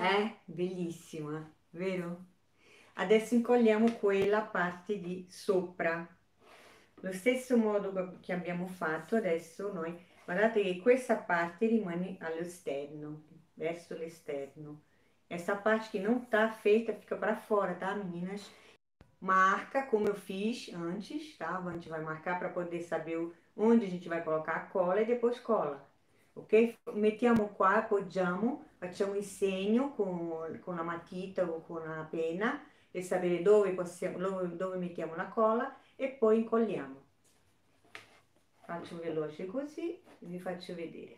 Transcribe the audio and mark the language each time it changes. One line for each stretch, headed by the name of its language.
Italian: è bellissima, vero? Adesso incolliamo quella parte di sopra. Lo stesso modo che abbiamo fatto adesso noi, guardate che questa parte rimane all'esterno, verso l'esterno. Questa parte che non sta
Portuguese: feita fica para fora, tá, meninas? Marca como eu fiz antes, tá? A gente vai marcar para poder saber onde a gente vai colocar a cola e depois cola, ok?
Italian: Mettiamo qua, appoggiamo, facciamo il segno con la matita o con la penna per sapere dove possiamo, dove mettiamo la cola e poi incolliamo. Faccio veloce così e vi faccio vedere.